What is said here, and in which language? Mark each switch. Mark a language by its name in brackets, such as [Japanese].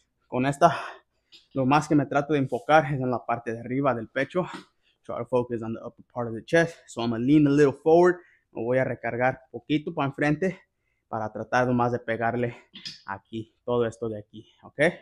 [Spanish] Con esta, lo más que me trato de enfocar es en la parte de arriba del pecho. [English] Try to focus on the upper part of the chest. So I'm gonna lean a little forward. [Spanish] Me voy a recargar poquito para enfrente para tratar nomás de pegarle aquí, todo esto de aquí, ¿ok?